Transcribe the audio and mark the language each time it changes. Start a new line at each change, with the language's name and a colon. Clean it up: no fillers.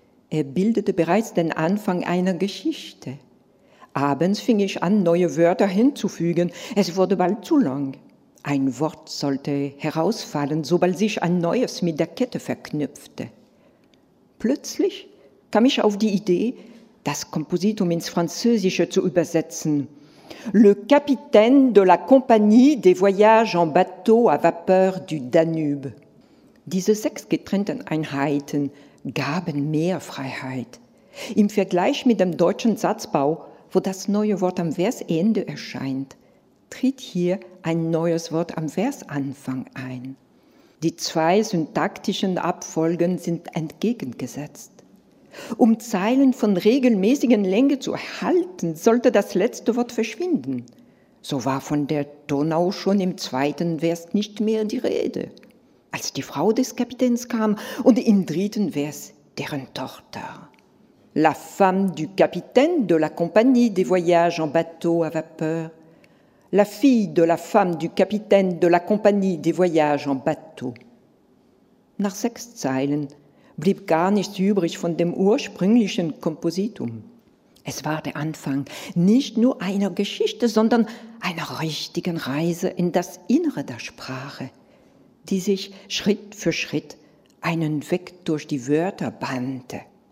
German: Er bildete bereits den Anfang einer Geschichte. Abends fing ich an, neue Wörter hinzufügen. Es wurde bald zu lang. Ein Wort sollte herausfallen, sobald sich ein neues mit der Kette verknüpfte. Plötzlich kam ich auf die Idee, das Kompositum ins Französische zu übersetzen.
French: Le capitaine de la compagnie des voyages en bateau à vapeur du Danube.
German: Diese 6 getrennten Einheiten gaben mehr Freiheit. Im Vergleich mit dem deutschen Satzbau, wo das neue Wort am Versende erscheint, tritt hier ein neues Wort am Versanfang ein. Die 2 syntaktischen Abfolgen sind entgegengesetzt. Um Zeilen von regelmäßigen Länge zu erhalten, sollte das letzte Wort verschwinden. So war von der Donau schon im 2. Vers nicht mehr die Rede, als die Frau des Kapitäns kam und im 3. Vers deren Tochter.
French: La femme du capitaine de la compagnie des voyages en bateau à vapeur. La fille de la femme du capitaine de la compagnie des voyages en bateau.
German: Nach 6 Zeilen blieb gar nichts übrig von dem ursprünglichen Kompositum. Es war der Anfang nicht nur einer Geschichte, sondern einer richtigen Reise in das Innere der Sprache, die sich Schritt für Schritt einen Weg durch die Wörter bannte.